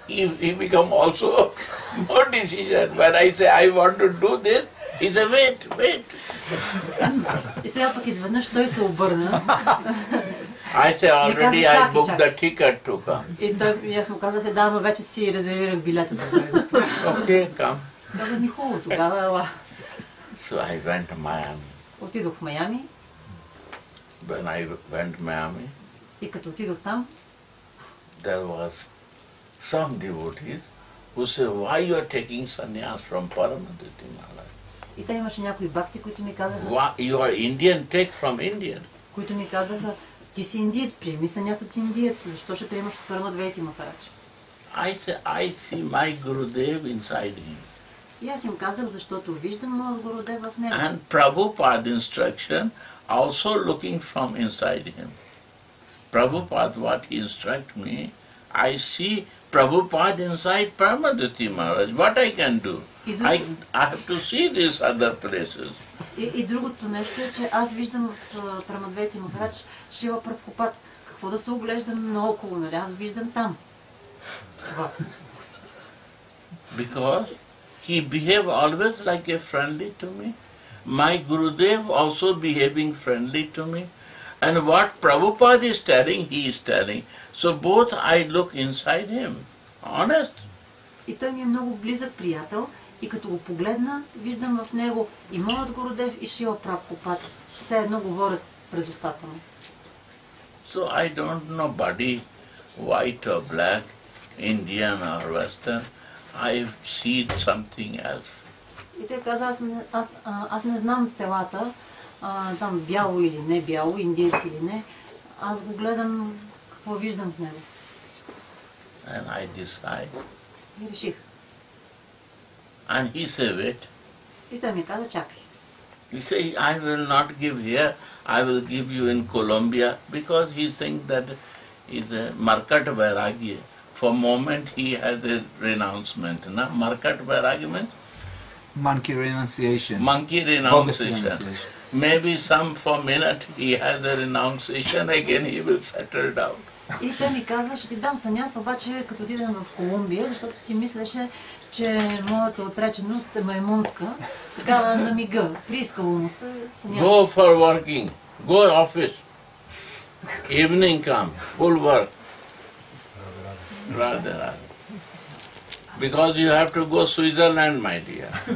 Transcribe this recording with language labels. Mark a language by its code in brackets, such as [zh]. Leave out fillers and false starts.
[en] He become also more decision. When I say, I want to do this, he said, wait, wait. [bg] И сега пък изведнъж той се обърна. [en] I say, already [bg] каза, [en] I booked the ticket to come. [bg] И аз му казах, да, но вече си резервирах билета. [en] Okay, come. [bg] Да, ми хубаво тогава, ела. [en] So I went to Miami. [bg] Отидох в Майами. [en] When I went to Miami. [bg] И като отидох там. [en] There was some devotees who say, why you are taking sannyas from Paramadvaiti Maharaj? [bg] И те имаше някои бакти, които ми казаха. [en] Why you are Indian, take from Indian. [bg] Които ми казаха, ти си индиец, приеми sannyas от индиец, защо ще приемаш от Парамадвайти Махарадж? [en] I say, I see my Gurudev inside him. [bg] И аз им казах, защото виждам моят Гурудев в него. [en] And Prabhupada instruction also looking from inside him. Prabhupada what he instruct me, I see Prabhupada inside Paramadvaiti Maharaj. What I can do? I have to see these other places. [bg] И другото нещо е, че аз виждам в Парамадвайти Махарадж Шрила Прабхупад. Какво да се оглеждам наоколо, нали? Аз виждам там. [en] Because he behave always like a friendly to me. My Gurudev also behaving friendly to me. And what Prabhupada is telling, he is telling. So both I look inside him. Honest. [bg] И той ми е много близък приятел. И като го погледна, виждам в него и моят Гурудев и Шрила Прабхупада. Все едно говорят през устата му. [en] So I don't know body, white or black, Indian or Western. I've seen something else. [bg] И те каза, аз не знам телата, там бяло или не бяло, индиец или не, аз го гледам какво виждам в него. [en] And I decide. [bg] И реших. [en] And he said, wait. [bg] И той ми каза, чакай. [en] He said, I will not give here, I will give you in Colombia, because he thinks that is a market vairagya. For moment he has a renouncement. No? Market vairagya means? Monkey renunciation. Monkey renunciation. Maybe some for minute he has a renunciation, again he will settle down. [bg] И тя ми каза, ще ти дам саняс, обаче като отидем в Колумбия, защото си мислеше, че моята отреченост е маймунска, така на мига, приискало му се саняс. [en] Go for working, go office, evening come, full work. Rather, rather. Because you have to go to Switzerland, my dear.